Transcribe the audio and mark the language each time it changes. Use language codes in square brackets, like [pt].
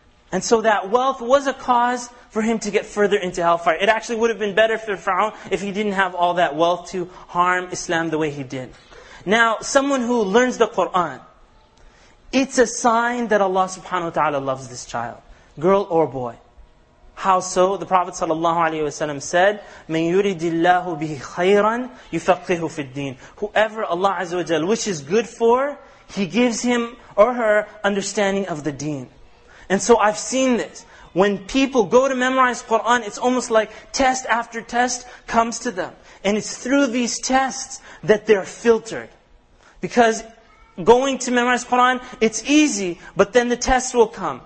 [en] And so that wealth was a cause for him to get further into hellfire. It actually would have been better for Fir'aun if he didn't have all that wealth to harm Islam the way he did. Now, someone who learns the Qur'an, it's a sign that Allah subhanahu wa ta'ala loves this child, girl or boy. How so? The Prophet sallallahu alayhi wa sallam said, [ar] مَنْ يُرِدِ اللَّهُ بِهِ خَيْرًا يُفَقِّهُ فِي الدِّينِ. [en] Whoever Allah azza wa jal wishes good for, He gives him or her understanding of the deen. And so I've seen this. When people go to memorize Qur'an, it's almost like test after test comes to them. And it's through these tests that they're filtered. Because going to memorize Qur'an, it's easy, but then the test will come.